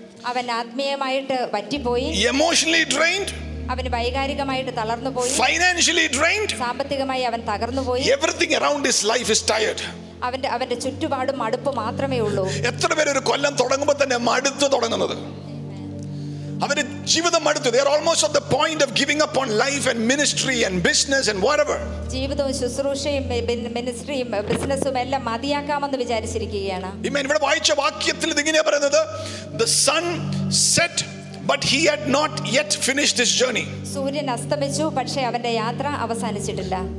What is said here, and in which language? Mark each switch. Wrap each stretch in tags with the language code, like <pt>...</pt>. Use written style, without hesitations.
<ml>അവൻ ആത്മീയമായിട്ട് വറ്റിപ്പോയി.</ml> <en>Emotionally drained.</en> <ml>അവന് വൈകാരികമായിട്ട് തളർന്നു പോയി.</ml> <en>Financially drained.</en> <ml>സാമ്പത്തികമായി അവൻ തകർന്നു പോയി.</ml> <en>Everything around his life is tired.</en> <ml>അവന്റെ ചുറ്റുപാടും മടുപ്പ് മാത്രമേ ഉള്ളൂ. എത്ര പേര് ഒരു കൊല്ലം തുടങ്ങുമ്പോൾ തന്നെ മടുത്തു തുടങ്ങുന്നത്? അവര് ജീവിതം മടുത്തു.</ml> <en>They are almost at the point of giving up on life and ministry and business and whatever.</en> <ml>ജീവിതവും ശുശ്രൂഷയും മിനിസ്ട്രിയും ബിസിനസ്സും എല്ലാം മതിയാക്കാമെന്ന് വിചാരിച്ചിരിക്കുകയാണ്. ഇമേൻ. ഇവിടെ വായിച്ച വാക്യത്തിൽ ഇതിങ്ങനെയാ പറയുന്നത്,</ml> <en>the sun set but he had not yet finished his journey.</en> <ml>സൂര്യൻ അസ്തമിച്ചു, പക്ഷേ അവന്റെ യാത്ര അവസാനിച്ചിട്ടില്ല.</ml>